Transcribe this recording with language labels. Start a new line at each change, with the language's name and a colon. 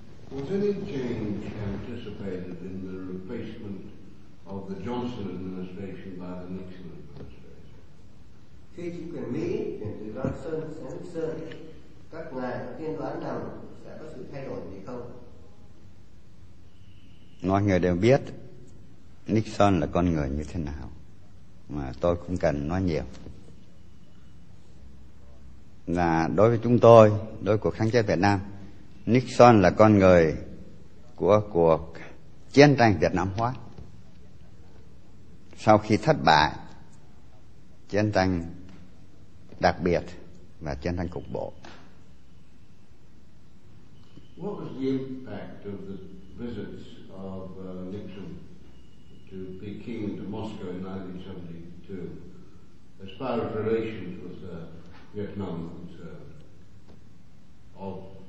English: Was any change anticipated in the replacement of the Johnson administration by the Nixon administration?
Vietnamese: Khi chính quyền Mỹ chuyển từ Johnson sang Nixon, các ngài có tiên đoán nào sẽ có sự thay đổi gì không? Mọi người đều biết Nixon là con người như thế nào, mà tôi không cần nói nhiều. Là đối với chúng tôi, đối với cuộc kháng chiến Việt Nam, Nixon là con người của cuộc chiến tranh Việt Nam hóa. Sau khi thất bại chiến tranh đặc biệt và chiến tranh cục bộ.
English: What was the impact of the visits of Nixon to Beijing and to Moscow in 1972 as far as relations with Vietnam were concerned?